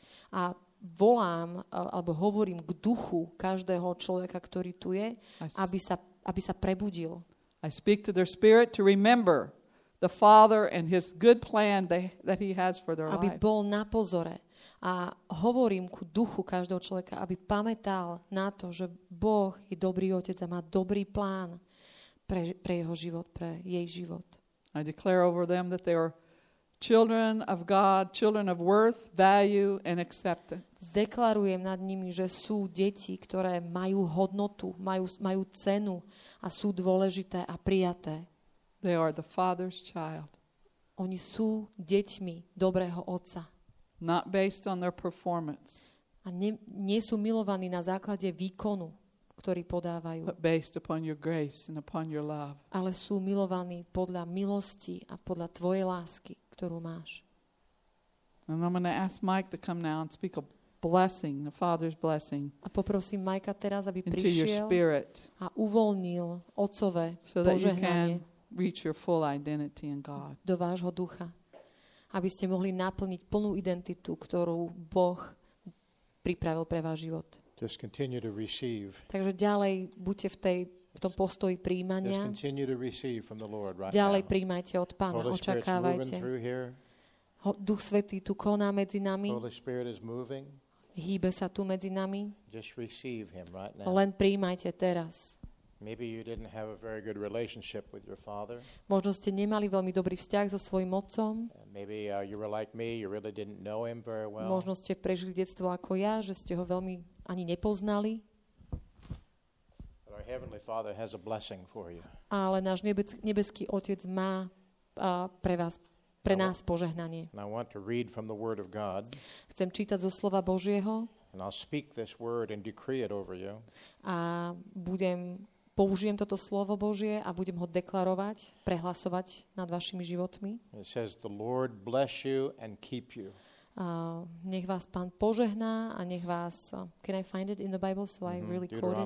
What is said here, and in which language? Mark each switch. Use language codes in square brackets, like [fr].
[sk] A volám alebo hovorím k duchu každého človeka, ktorý tu je, aby sa prebudil. [en] I speak to their spirit to remember the Father and his good plan that he has for their life. [sk] Aby bol na pozore. A hovorím ku duchu každého človeka, aby pamätal na to, že Boh je dobrý otec a má dobrý plán pre jeho život, pre jej život. [en] I declare over them that they are children of God, children of worth, value and acceptance. [sk] Deklarujem nad nimi, že sú deti, ktoré majú hodnotu, majú cenu a sú dôležité a prijaté. [en] They are the Father's child. [sk] Oni sú deťmi dobrého otca. [en] Not based on their performance. [sk] A nie sú milovaní na základe výkonu, ktorý podávajú. [en] But based upon your grace and upon your love. [sk] Ale sú milovaní podľa milosti a podľa tvojej lásky, ktorú máš. [en] And I'm going to ask Mike to come now and speak a blessing, the Father's blessing. [sk] A poprosím Mike'a teraz, aby prišiel a uvoľnil otcové požehnanie do vášho ducha. Aby ste mohli naplniť plnú identitu, ktorú Boh pripravil pre váš život. [en] Just continue to receive. [sk] Takže ďalej buďte v tom postoji príjmania. [en] Just continue to receive from the Lord right [sk] ďalej [en] now. [sk] Príjmajte od Pána, [en] Holy [sk] očakávajte. Duch Svätý tu koná medzi nami. [en] Holy Spirit is moving. [sk] Hýbe sa tu medzi nami. [en] Just receive him right now. [sk] Len príjmajte teraz. [en] Maybe you didn't have a very good relationship with your father. [sk] Možno ste nemali veľmi dobrý vzťah so svojím otcom. [en] Maybe you were like me, you really didn't know him very well. [sk] Možno ste prežili detstvo ako ja, že ste ho veľmi ani nepoznali. [en] But our heavenly Father has a blessing for you. [sk] Ale náš nebeský otec má pre nás požehnanie. [en] And I want to read from the word of God. [sk] Chcem čítať zo slova Božieho. [en] And I'll speak this word and decree it over you. [sk] A použijem toto slovo Božie a budem ho deklarovať, prehlasovať nad vašimi životmi. [en] It says, the Lord bless you and keep you. [sk] Nech vás Pán požehná a nech vás... [en] Can I find it in the Bible so I really quote it?